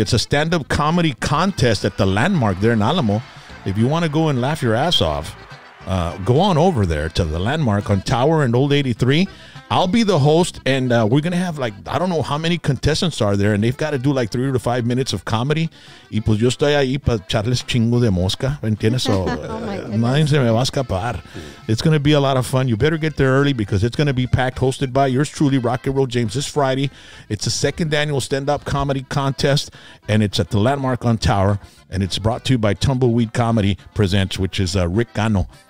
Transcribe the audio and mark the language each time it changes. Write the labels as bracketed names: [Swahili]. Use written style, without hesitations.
[English] It's a stand-up comedy contest at the Landmark there in Alamo. If you want to go and laugh your ass off, go on over there to the Landmark on Tower and Old 83. I'll be the host, and we're going to have, like, I don't know how many contestants are there, and they've got to do, like, 3 to 5 minutes of comedy. [Spanish] Y pues yo estoy ahí para echarles chingo de mosca, ¿entiendes? So, nadie se me va a escapar. [English] It's going to be a lot of fun. You better get there early because it's going to be packed, hosted by yours truly, Rock and Roll James, this Friday. It's the second annual stand-up comedy contest, and it's at the Landmark on Tower, and it's brought to you by Tumbleweed Comedy Presents, which is Rick Gano.